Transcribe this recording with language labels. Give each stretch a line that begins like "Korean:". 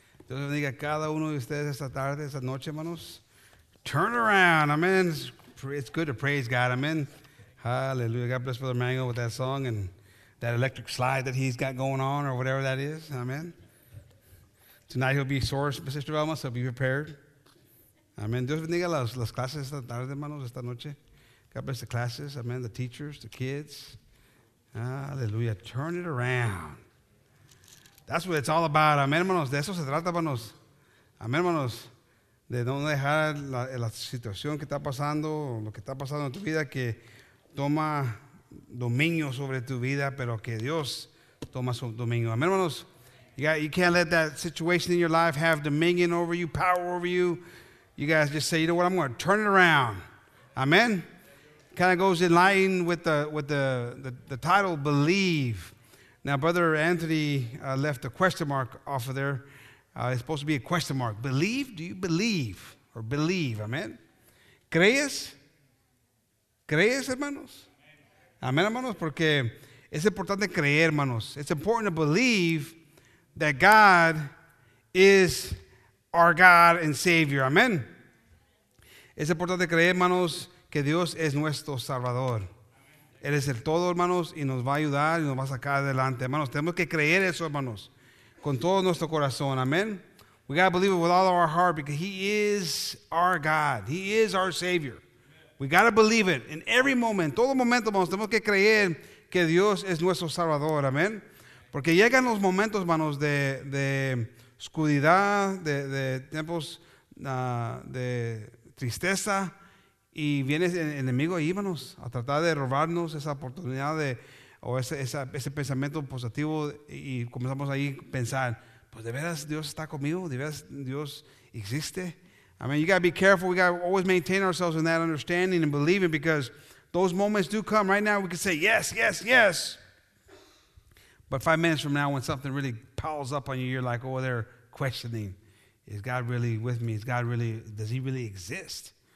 Spanish: Dios bendiga a cada uno de ustedes esta tarde, esta noche, hermanos.
English: Turn around. Amen. It's good to praise God. Amen. Hallelujah. God bless Brother Mango with that song and that electric slide that he's got going on or whatever that is. Amen. Tonight he'll be sore, Sister Velma, so be prepared. Amen.
Spanish: Dios bendiga las clases esta tarde, hermanos, esta noche.
English: God bless the classes. Amen. The teachers, the kids. Hallelujah. Turn it around. That's what it's all about.
Spanish: Amen, hermanos. De eso se trata, hermanos. Amen, hermanos. De no dejar la situación que está pasando, lo que está pasando en tu vida, que toma dominio sobre tu vida, pero que Dios toma su dominio. Amen, hermanos.
English: You can't let that situation in your life have dominion over you, power over you. You guys just say, you know what, I'm going to turn it around. Amen? Kind of goes in line with the title, Believe. Now, Brother Anthony left a question mark off of there. It's supposed to be a question mark. Believe? Do you believe? Or believe, amen?
Spanish: ¿Crees? ¿Crees, hermanos? Amen, hermanos, porque es importante creer, hermanos.
English: It's important to believe that God is our God and Savior. Amen.
Spanish: Es importante creer, hermanos, que Dios es nuestro Salvador. Él es el todo, hermanos, y nos va a ayudar y nos va a sacar adelante. Hermanos, tenemos que creer eso, hermanos, con todo nuestro corazón. Amen.
English: We got to believe it with all of our heart because He is our God. He is our Savior. We got to believe it in every moment.
Spanish: Todo momento, hermanos, tenemos que creer que Dios es nuestro Salvador. Amen. Porque llegan los momentos, hermanos, de oscuridad, de tiempos de tristeza, y viene el enemigo ahí, hermanos, a tratar de robarnos esa oportunidad ese pensamiento positivo, y comenzamos ahí a pensar, pues de veras Dios está conmigo, de veras Dios existe.
English: I mean, you got to be careful, we got to always maintain ourselves in that understanding and believing, because those moments do come. Right now we can say yes, yes, yes. But 5 minutes from now, when something really piles up on you, you're like, oh, they're questioning. Is God really with me? Is God really, does he really exist?